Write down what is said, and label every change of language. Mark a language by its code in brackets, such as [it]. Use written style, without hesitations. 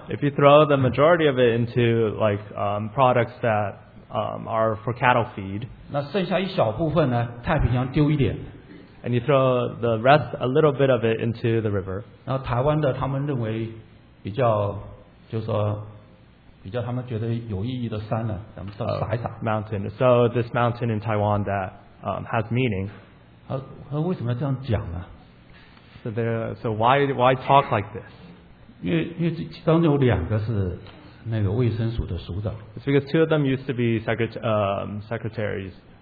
[en] If you throw the majority of it into like products that are for cattle feed, [zh] 那剩下一小部分呢，太平洋丢一点。 [en] And you throw the rest, a little bit of it, into the river. [zh] 然后台湾的他们认为比较，就说比较他们觉得有意义的山呢，咱们撒一撒。 [en] Mountain. So this mountain in Taiwan that has meaning. [zh] 他为什么要这样讲呢？ [en] So why talk like this? [zh] 因为当中有两个是那个卫生署的署长。 [en] It's because two of them used to be secretaries.